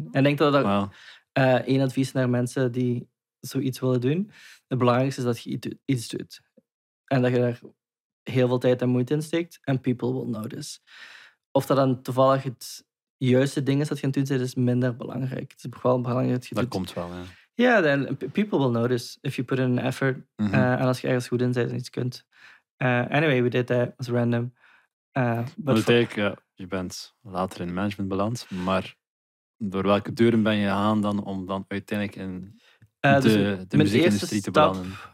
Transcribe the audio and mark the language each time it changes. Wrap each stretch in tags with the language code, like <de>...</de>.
<nl>En ik denk dat dat één advies naar mensen die zoiets willen doen. Het belangrijkste is dat je iets doet. En dat je daar heel veel tijd en moeite in steekt. En</nl> <en>people will notice.</en> <nl>Of dat dan toevallig het juiste ding is dat je aan het doen bent, is minder belangrijk. Het is wel belangrijk dat je dat doet. Komt wel, ja.</nl> <en>Ja, yeah, then people will notice if you put in an effort.</en> <nl>En als je ergens goed in bent en iets kunt.</nl> <en>Anyway, we did that. It was random.</en> <nl>Je bent later in management beland, maar door welke deuren ben je aan dan om dan uiteindelijk in de muziekindustrie te belanden?</nl>